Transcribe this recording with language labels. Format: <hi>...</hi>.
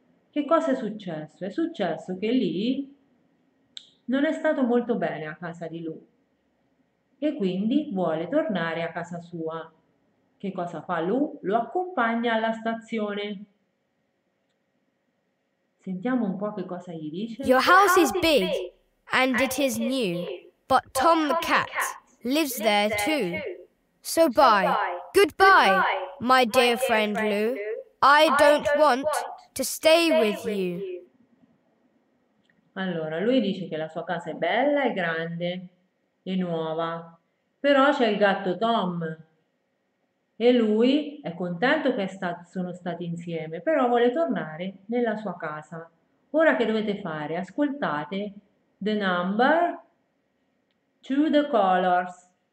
<it>Che cosa è successo? È successo che lì non è stato molto bene a casa di Lu e quindi vuole tornare a casa sua. Che cosa fa Lu? Lo accompagna alla stazione. Sentiamo un po' che cosa gli dice.</it> <en>Your house is big and it is new, but Tom the cat lives there too. So bye, goodbye, my dear friend Lu. I don't want to stay with you.</en> <it>Allora, lui dice che la sua casa è bella e grande e nuova, però c'è il gatto Tom e lui è contento che sono stati insieme, però vuole tornare nella sua casa. Ora che dovete fare? Ascoltate</it> <en>the number to the colors.</en>